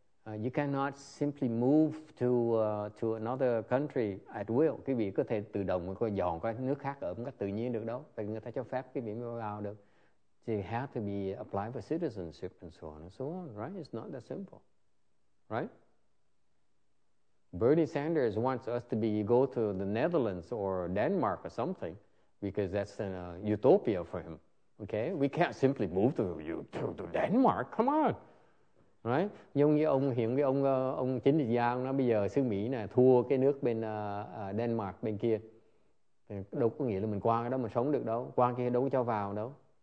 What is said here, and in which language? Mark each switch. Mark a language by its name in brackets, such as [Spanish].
[English] You cannot simply move to another country at will. [Vietnamese] Quý vị có thể tự động có dọn qua nước khác ở một cách tự nhiên được đâu. Tại người ta cho phép quý vị mới vào được. [English] So you have to be applied for citizenship and so on, right? It's not that simple, right? Bernie Sanders wants us to be go to the Netherlands or Denmark or something because that's an utopia for him. Okay, we can't simply move to Denmark. Come on, right? [Vietnamese] Nhưng như ông hiện cái ông chính trị gia nó bây giờ xứ Mỹ nè thua cái nước bên Denmark bên kia, thì đâu có nghĩa là mình qua cái đó mình sống được đâu, qua kia đâu có cho vào đâu.